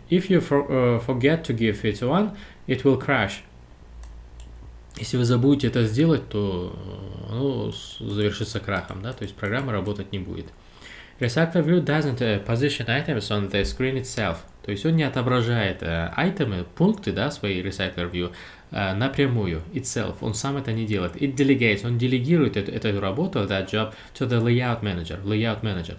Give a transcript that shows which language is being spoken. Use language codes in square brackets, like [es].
[en] If you forget to give it one, it will crash. [ru] Если вы забудете это сделать, то оно завершится крахом, да, то есть программа работать не будет. [en] Recycler view doesn't position items on the screen itself. [ru] То есть он не отображает айтемы, пункты, да, своей recycler view напрямую, itself, он сам это не делает. [en] It delegates, [ru] он делегирует эту работу, [en] that job, to the layout manager. Layout manager.